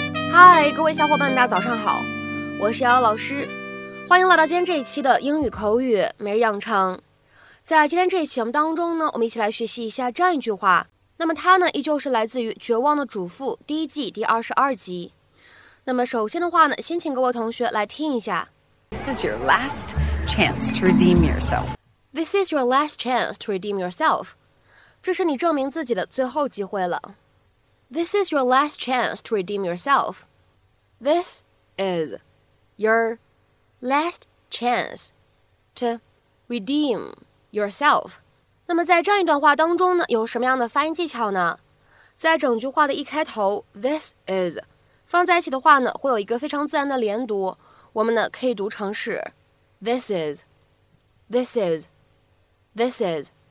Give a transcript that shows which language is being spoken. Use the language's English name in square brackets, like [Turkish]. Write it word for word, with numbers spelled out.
[Chinese] 嗨，各位小伙伴，大家早上好，我是瑶瑶老师，欢迎来到今天这一期的英语口语每日养成。在今天这一期节目当中呢，我们一起来学习一下这样一句话。那么它呢，依旧是来自于《绝望的主妇》第一季第二十二集。那么首先的话呢，先请各位同学来听一下。 [English] This is your last chance to redeem yourself. This is your last chance to redeem yourself. [Chinese] 这是你证明自己的最后机会了。 [English] This is your last chance to redeem yourself. This is your last chance to redeem yourself. [Chinese] 那么在这样一段话当中呢，有什么样的发音技巧呢？在整句话的一开头 ，this is 放在一起的话呢，会有一个非常自然的连读。我们呢可以读成是 this is, this is, this is。